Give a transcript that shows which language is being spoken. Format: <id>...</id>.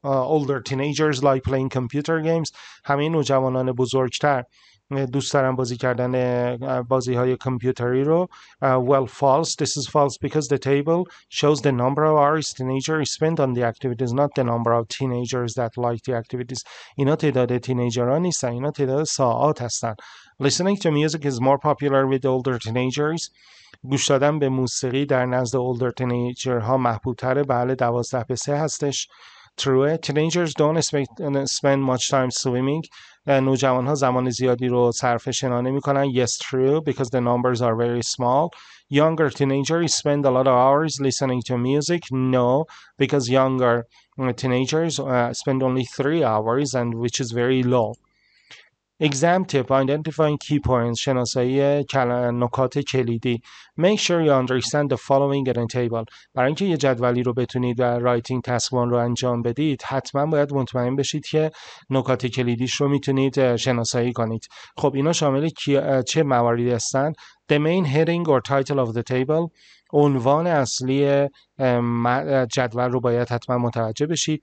<en>older teenagers like playing computer games</en> <fa>همه نوجوانان بزرگتر دوست دارم بازی کردن بازی های کمپیوتری رو</fa> <en>well false this is false because the table shows the number of hours teenagers spend on the activities not the number of teenagers that like the activities</en> <fa>اینا تعداد تینیجر ها نیستن اینا تعداد ساعت هستن</fa> <en>listening to music is more popular with older teenagers</en> <fa>گوش دادن به موسیقی در نزد اولدر تینیجر ها محبوب تره. بله 12 به 3 هستش.</fa> <en>True. Teenagers don't spend much time swimming.</en> <fa>نوجوان ها زمان زیادی رو صرف شنا نمی کنن.</fa> <en>Yes, true, because the numbers are very small. Younger teenagers spend a lot of hours listening to music. No, because younger teenagers spend only 3 hours, and which is very low. Exam tip, identifying key points,</en> <fa>شناسایی نکات کلیدی.</fa> <en>Make sure you understand the following at a table.</en> <fa>برای اینکه یه جدولی رو بتونید و رایتینگ تسک وان رو انجام بدید، حتما باید مطمئن بشید که نکات کلیدیش رو میتونید شناسایی کنید. خب اینا شامل چه مواردی هستن؟</fa> <en>The main heading or title of the table.</en> <fa>عنوان اصلی جدول رو باید حتما متوجه بشید.</fa>